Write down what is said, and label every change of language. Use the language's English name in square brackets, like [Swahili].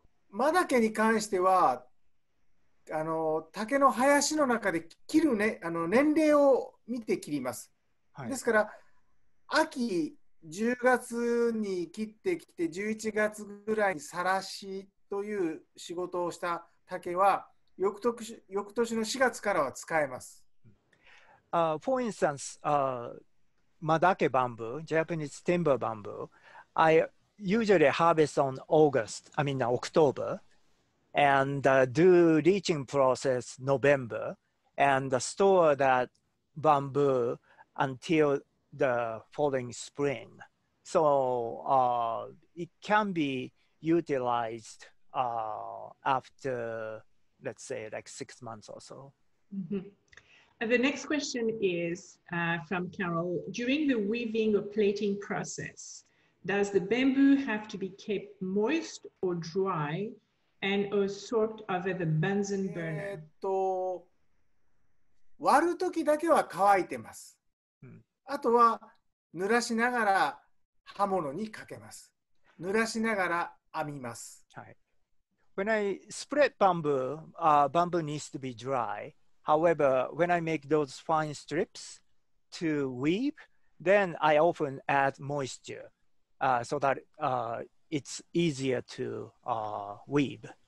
[Japanese] マダケに関しては、竹の林の中で切る、ね、年齢を見て切ります、はい、ですから秋10月に切ってきて11月ぐらいにさらしという仕事をした竹は翌年の4月からは使えます。 [English] For instance Madake bamboo, Japanese timber bamboo, I usually harvest on August, I mean Octoberand do leaching process November and store that bamboo until the following spring. So it can be utilized after, let's say, like 6 months or so. Mm-hmm. The next question is from Carol. During the weaving or plaiting process, does the bamboo have to be kept moist or dry? And a sort of the Bunsen burner. [Japanese] 割るときだけは乾いてます。あとは濡らしながら刃物にかけます。濡らしながら編みます。はい。 [English] When I spread bamboo, bamboo needs to be dry. However, when I make those fine strips to weave, then I often add moisture, so that, it's easier to weave.